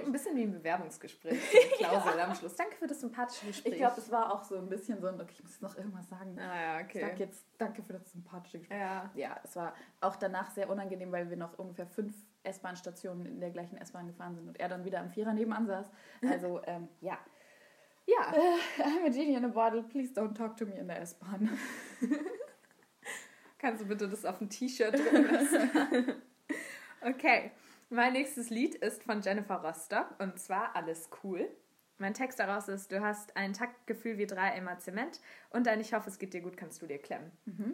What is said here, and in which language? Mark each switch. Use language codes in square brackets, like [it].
[de] Klingt ein bisschen wie ein Bewerbungsgespräch. Klausel am Schluss. Danke für das sympathische Gespräch. Ich glaube, es war auch so ein bisschen so ein, okay, ich muss noch irgendwas sagen. Ah ja, okay. Ich sag jetzt danke für das sympathische Gespräch. Ja. Ja, es war auch danach sehr unangenehm, weil wir noch ungefähr 5 S-Bahn-Stationen in der gleichen S-Bahn gefahren sind und er dann wieder am Vierer nebenan saß. Also, ja. Ja, [en] I'm a genie in a bottle, please don't talk to me [de] in der S-Bahn. Kannst du bitte das auf ein T-Shirt drücken lassen? Okay, mein nächstes Lied ist von Jennifer Rostock und zwar Alles cool. Mein Text daraus ist: Du hast ein Taktgefühl wie 3 Eimer Zement und dein Ich hoffe, es geht dir gut, kannst du dir klemmen. Mhm.